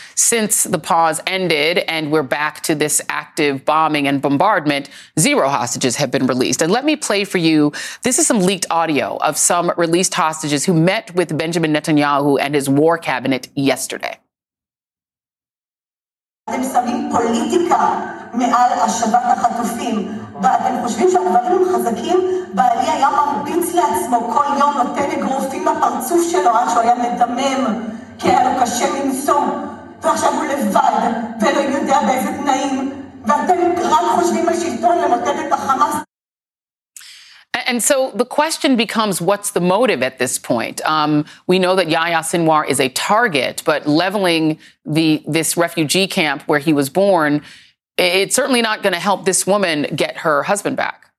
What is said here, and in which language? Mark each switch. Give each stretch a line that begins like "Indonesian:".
English: Since the pause ended and we're back to this active bombing and bombardment, zero hostages have been released. And let me play for you. This is some leaked audio of some released hostages who met with Benjamin Netanyahu and his war cabinet yesterday.
Hebrew: אתם שמים פוליטיקה מעל השבת החטופים, ואתם חושבים שהדברים הם חזקים? בעלי היה מרביץ לעצמו כל יום, נותן אגרופים לפרצוף שלו, עד שהוא היה מדמם, כי היה לו קשה למסור. ועכשיו הוא לבד, ולא יודע באיזה תנאים. ואתם רק חושבים על שלטון למוטט את החמאס.
English: And so the question becomes, what's the motive at this point? We know that Yahya Sinwar is a target, but leveling this refugee camp where he was born, it's certainly not going to help this woman get her husband back.